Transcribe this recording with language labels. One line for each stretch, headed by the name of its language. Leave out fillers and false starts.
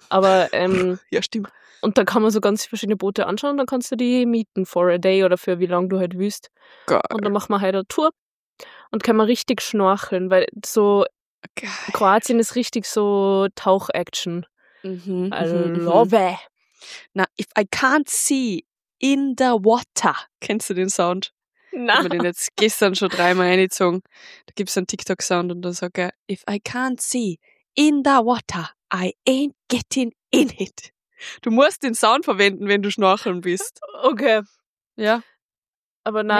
German: Aber. Ja, stimmt. Und da kann man so ganz verschiedene Boote anschauen. Dann kannst du die mieten
English: for a day
German: oder für wie lange du halt willst. Geil. Und dann machen wir halt eine Tour. Und kann man richtig schnorcheln, weil so. Geil. Kroatien ist richtig so Tauch-Action. Mhm.
English: I love it. Na, if I can't see in the water.
German: Kennst du den Sound? Nein. Ich habe den jetzt gestern schon dreimal reingezogen. Da gibt es einen TikTok-Sound und dann sagt er,
English: if I can't see in the water, I ain't getting in it.
German: Du musst den Sound verwenden, wenn du schnorcheln bist. Okay. Ja. Aber na,